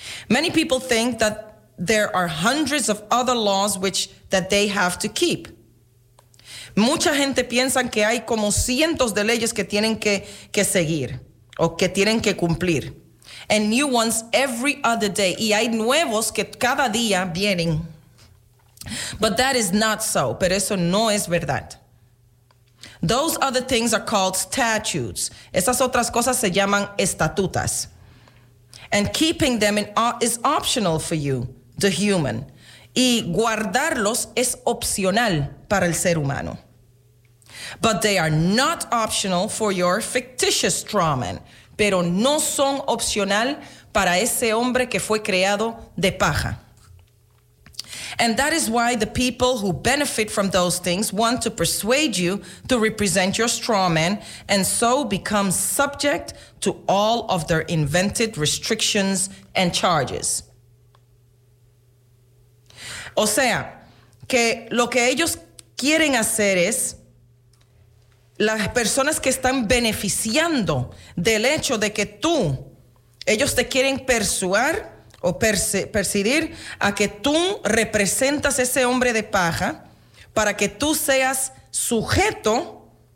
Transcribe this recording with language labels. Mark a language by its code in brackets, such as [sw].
[en] Many people think that there are hundreds of other laws that they have to keep. [es] Mucha gente piensa que hay como cientos de leyes que tienen que seguir o que tienen que cumplir. [en] And new ones every other day. [es] Y hay nuevos que cada día vienen. [en] But that is not so. [es] Pero eso no es verdad. [en] Those other things are called statutes. [es] Esas otras cosas se llaman estatutas. [en] And keeping them is optional for you, the human. [es] Y guardarlos es opcional para el ser humano. [en] But they are not optional for your fictitious straw man. [es] Pero no son opcional para ese hombre que fue creado de paja. [en] And that is why the people who benefit from those things want to persuade you to represent your straw man and so become subject to all of their invented restrictions and charges. [es] O sea, que lo que ellos quieren hacer es las personas que están beneficiando del hecho de que tú, ellos te quieren persuadir o percibir a que tú representas ese hombre de paja para que tú seas sujeto